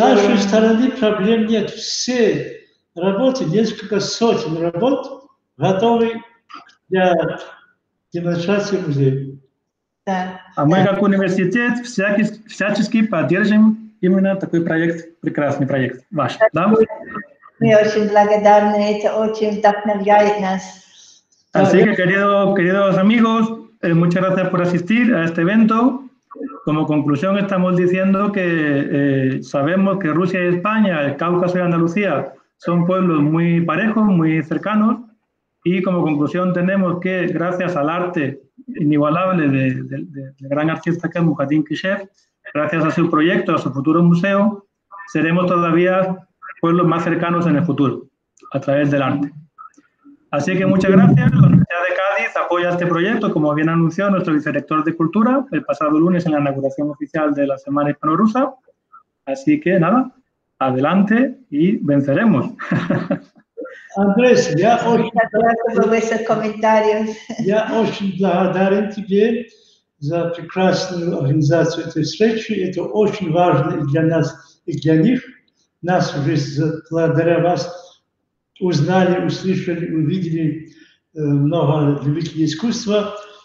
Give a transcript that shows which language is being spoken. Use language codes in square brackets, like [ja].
[ru] С нашей стороны проблем нет. Все работы, несколько сотен работ, готовы для демонстрации музея. Да. А мы, как университет, всячески поддержим именно такой проект, прекрасный проект ваш. Да? Мы очень благодарны, это очень вдохновляет нас. [es] Así que, queridos amigos, muchas gracias por asistir a este evento. Como conclusión, estamos diciendo que sabemos que Rusia y España, el Cáucaso y Andalucía, son pueblos muy parejos, muy cercanos. Y como conclusión tenemos que, gracias al arte inigualable del gran artista que es Mujahedin Kishev, gracias a su proyecto, a su futuro museo, seremos todavía pueblos más cercanos en el futuro, a través del arte. Así que muchas gracias. La Universidad de Cádiz apoya este proyecto, como bien anunció nuestro vicerrector de Cultura el pasado lunes en la inauguración oficial de la Semana Hispano-Rusa. Así que nada, adelante y venceremos. Andrés, ya os... Gracias por vuestros comentarios. Ya os agradezco a ti [ru] за прекрасную организацию этой встречи. Это очень важно и для нас, и для них. Нас уже благодаря вас узнали, услышали, увидели много любителей искусства.